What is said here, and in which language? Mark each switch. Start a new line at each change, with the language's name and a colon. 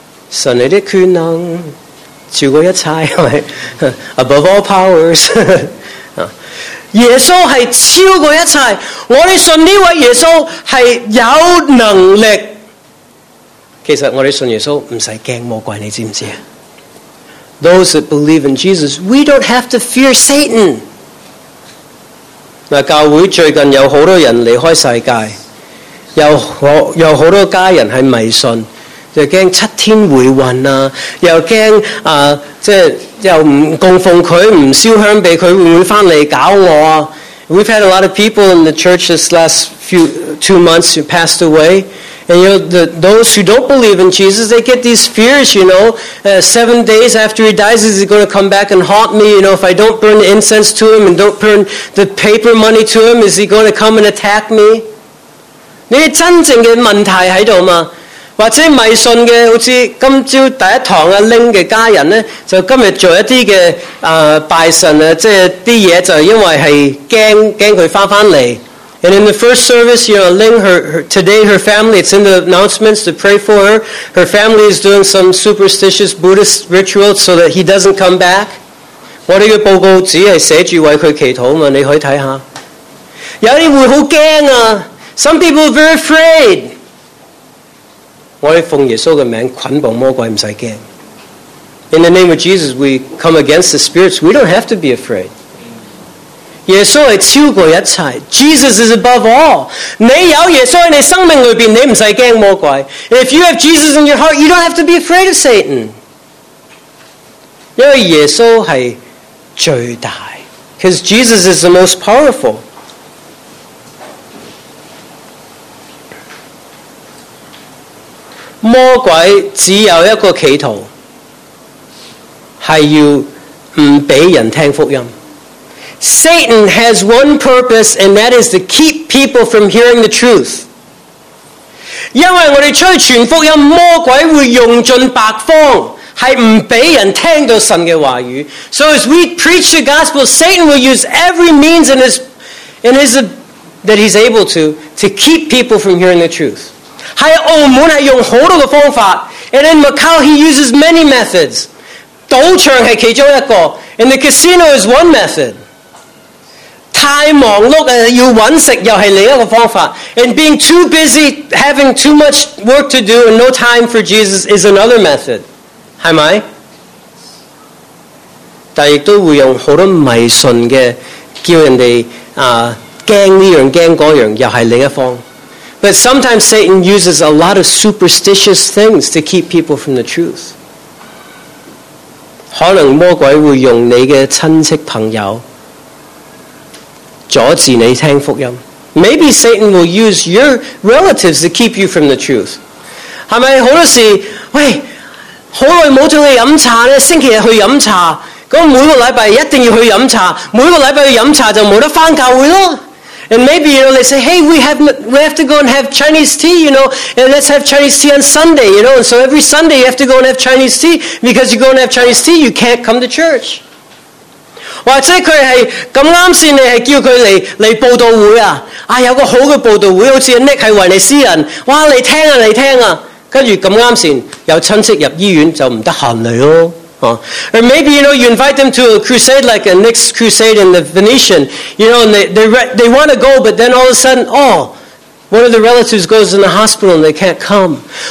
Cantonese: 神你的权能超过一切，系咪 ？
English: Above all powers.
Cantonese: 耶稣系超过一切，我哋信呢位耶稣系有能力。其实我哋信耶稣唔使惊魔鬼，你知唔知啊？
English: Those that believe in Jesus, we don't have to fear Satan.
Cantonese: 教会最近有好多人离开世界，有好多家人喺迷信，就怕七天回魂啊，又怕啊，即系又唔供奉佢，唔烧香俾佢，会唔会翻嚟搞我啊
English: ？We've had a lot of people in the church this last two months who passed away. And you know, those who don't believe in Jesus, they get these fears, you know. 7 days after he dies, is he going to come back and haunt me? You know, if I don't burn the incense to him and don't burn the paper money to him, is he going to come and attack me?
Cantonese: 你真正的问题在这里吗？或者迷信的，好像今早第一堂的拎的家人呢，就今天做一些的拜神，就是一些东西就因为是怕他回来。
English: And in the first service, you know, Ling, today her family, it's in the announcements to pray for her. Her family is doing some superstitious Buddhist ritual so that he doesn't come back.
Cantonese: 我哋嘅报告只系写住为佢祈祷嘛，你可以睇下。有啲会好惊啊
English: ，Some people are very afraid.
Cantonese: 我哋奉耶稣嘅名捆绑魔鬼，唔使惊。
English: In the name of Jesus, we come against the spirits. We don't have to be afraid.
Cantonese: 耶稣是超过一切
English: Jesus is above all.
Cantonese: 你有耶稣在你生命里面，你不用怕魔鬼。
English: If you have Jesus in your heart, you don't have to be afraid of Satan.
Cantonese: 因为耶稣是最大，
English: Because Jesus is the most powerful.
Cantonese: 魔鬼只有一个企图，是要不给人听福音。
English: Satan has one purpose, and that is to keep people from hearing the truth.
Cantonese: 因为我们出去传福音，魔鬼会用尽百方，是不给人听到神的话语。
English: So as we preach the gospel, Satan will use every means that he's able to keep people from hearing the truth.
Cantonese: 在澳门是用很多的方法，
English: and in Macau he uses many methods.
Cantonese: 赌场是其中一个，
English: and the casino is one method.
Cantonese: 太忙碌要揾食又是另一个方法。
English: And being too busy, having too much work to do, and no time for Jesus is another method.
Cantonese: 是吗？但亦都会用很多迷信的叫人家惊这样惊那样又是另一方。
English: But sometimes Satan uses a lot of superstitious things to keep people from the truth.
Cantonese: 可能魔鬼会用你的亲戚朋友阻止你听福音。
English: Maybe Satan will use your relatives to keep you from the truth.
Cantonese: 是不是很多时候，喂，好久没跟你喝茶，星期日去喝茶，那每个礼拜一定要去喝茶，每个礼拜去喝茶就没得回教会了。
English: And maybe, you know, they say, hey, we have to go and have Chinese tea, you know, and let's have Chinese tea on Sunday, you know. And so every Sunday you have to go and have Chinese tea, because you go and have Chinese tea, you can't come to church. Or maybe, you know, you invite them to a crusade, like a Nick's crusade in the Venetian, you know, and they want to go, but then all of a sudden, oh, one of the relatives goes in the hospital and they can't come.